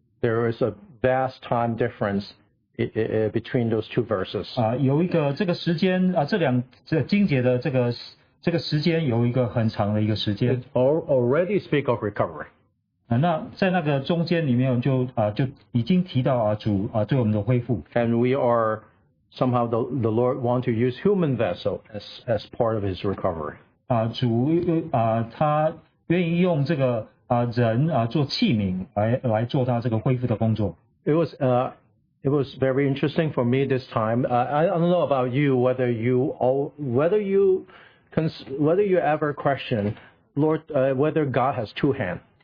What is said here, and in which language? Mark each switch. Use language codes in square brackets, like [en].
[en] There is a vast time difference between those two verses. [zh] 有一个这个时间，这两节经节的这个时间有一个很长的一个时间。 [en] Already speak of recovery. [zh] 那在那个中间里面就已经提到主对我们的恢复。 [en] And we are somehow the Lord want to use human vessel as part of His recovery. [zh] 主他愿意用这个 人做器皿来做他这个恢复的工作。 [en] It was very interesting for me this time. I don't know about you whether you ever question Lord whether God has two hands.